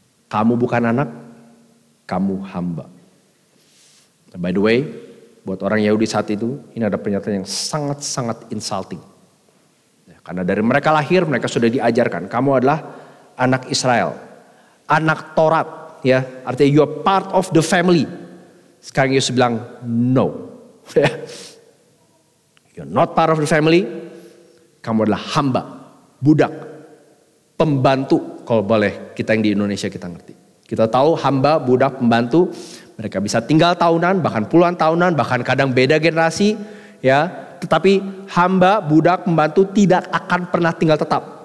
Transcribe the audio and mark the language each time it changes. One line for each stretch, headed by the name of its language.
Indonesian: Kamu bukan anak, kamu hamba.
English: And by the way,
Indonesian: buat orang Yahudi saat itu, ini ada pernyataan yang sangat-sangat insulting. Karena dari mereka lahir, mereka sudah diajarkan, kamu adalah anak Israel, anak Taurat. Ya, artinya
English: you are part of the family.
Indonesian: Sekarang Yesus bilang
English: no. You're not part of the family.
Indonesian: Kamu adalah hamba, budak, pembantu. Kalau boleh kita yang di Indonesia kita ngerti. Kita tahu hamba, budak, pembantu. Mereka bisa tinggal tahunan, bahkan puluhan tahunan, bahkan kadang beda generasi. Ya, tetapi hamba, budak, pembantu tidak akan pernah tinggal tetap.